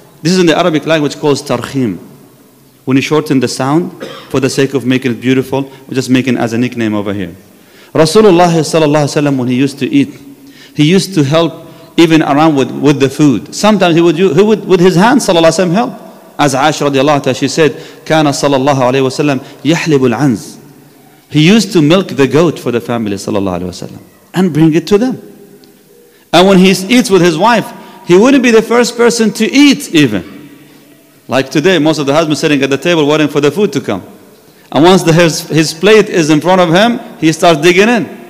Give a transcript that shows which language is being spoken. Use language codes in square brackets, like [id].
[en] This is in the Arabic language called Tarkhim. When you shorten the sound for the sake of making it beautiful, we're just making it as a nickname over here. Rasulullah sallallahu alayhi wa sallam, when he used to eat, he used to help even around with the food. Sometimes he would with his hands, sallallahu alayhi wa sallam, help. As Aisha radiallahu ta'ala, she said, [ar] كان صلى الله عليه وسلم يحلب العنز. [en] He used to milk the goat for the family, sallallahu alayhi wa sallam, and bring it to them. And when he eats with his wife, he wouldn't be the first person to eat even. Like today, most of the husbands sitting at the table waiting for the food to come. And once his plate is in front of him, he starts digging in.